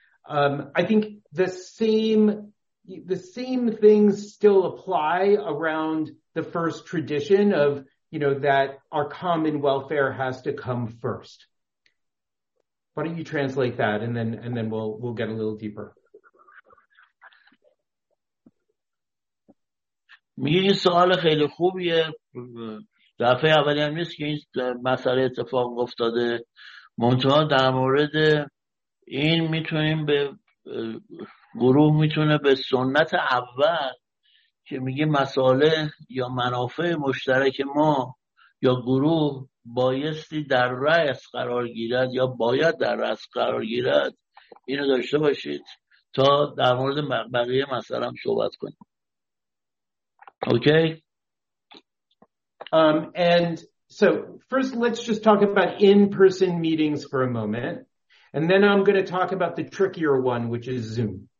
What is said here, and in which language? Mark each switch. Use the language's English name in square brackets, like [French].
[English] I think the same things still apply around the first tradition of, you know, that our common welfare has to come first. Why don't you translate that and then we'll get a little deeper. [Persian] میگه این سوال خیلی خوبیه. دفعه اولی هم نیست که این مسئله اتفاق افتاده. منتها در مورد این میتونیم به گروه میتونه به سنت اول که میگه مساله یا منافع مشترک ما یا گروه بایستی در رأس قرار گیرد یا باید در رأس قرار گیرد، اینو داشته باشید تا در مورد بقیه مسئله هم صحبت کنیم. [English] Okay. And so first let's just talk about in-person meetings for a moment, and then I'm going to talk about the trickier one, which is Zoom.